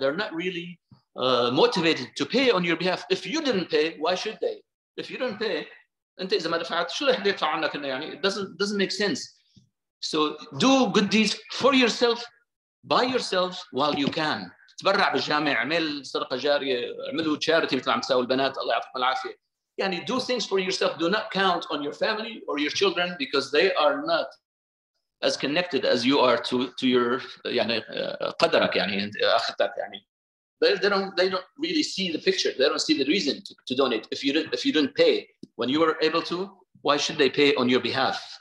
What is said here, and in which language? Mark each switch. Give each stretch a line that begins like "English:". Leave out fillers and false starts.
English: They're not really motivated to pay on your behalf. If you didn't pay, why should they? If you don't pay,
Arabic: أنت إذا ما دفعت شو اللي يدفع عنك إنه يعني.
English: It doesn't make sense. So do good deeds for yourself, by yourself while you can.
Arabic: تبرع بالجامع, عمل صدقة جارية, عملوا charity مثل عم تساوي البنات الله يعطيكم العافية.
English: يعني do things for yourself. Do not count on your family or your children because they are not as connected as you are to your يعني
Arabic: قدرك يعني أختك يعني.
English: They don't really see the picture. They don't see the reason to donate. If you didn't pay when you were able to, why should they pay on your behalf?